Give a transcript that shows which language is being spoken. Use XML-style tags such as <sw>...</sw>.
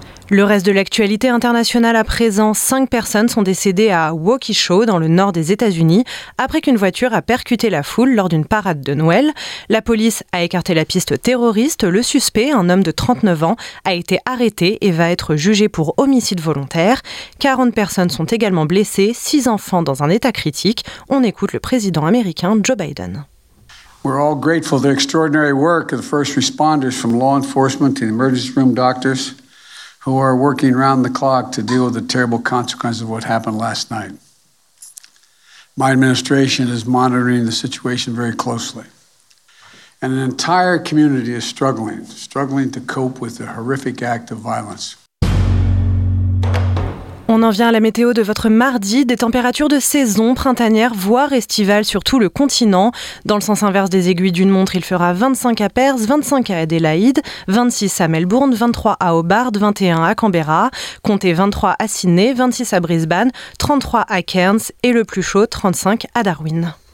<fr>Le reste de l'actualité internationale à présent, 5 personnes sont décédées à Waukesha, dans le nord des États-Unis, après qu'une voiture a percuté la foule lors d'une parade de Noël. La police a écarté la piste terroriste. Le suspect, un homme de 39 ans, a été arrêté et va être jugé pour homicide volontaire. 40 personnes sont également blessées, 6 enfants dans un état critique. On écoute le président américain Joe Biden.</fr> <en>We're all grateful for the extraordinary work of the first responders from law enforcement to emergency room doctors. Who are working round the clock to deal with the terrible consequences of what happened last night. My administration is monitoring the situation very closely. And an entire community is struggling to cope with the horrific act of violence.</en> <fr>On en vient à la météo de votre mardi, des températures de saison, printanières, voire estivales sur tout le continent. Dans le sens inverse des aiguilles d'une montre, il fera 25 à Perth, 25 à Adélaïde, 26 à Melbourne, 23 à Hobart, 21 à Canberra, comptez 23 à Sydney, 26 à Brisbane, 33 à Cairns et le plus chaud, 35 à Darwin.</fr>